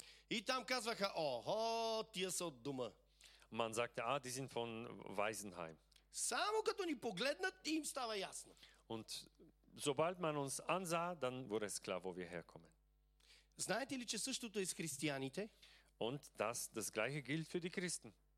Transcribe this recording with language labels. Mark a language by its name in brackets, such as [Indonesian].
[Bulgarian] И там казваха, охо, тия са от дома. [German] Man sagte, ah, die sind von Waisenheim. [Bulgarian] Само като ни погледнат, им става ясно. [German] Und sobald man uns ansah, dann wurde es klar, wo wir herkommen. [Bulgarian] Знаете ли, че същото е с християните? [German] Und das gleiche gilt für die Christen.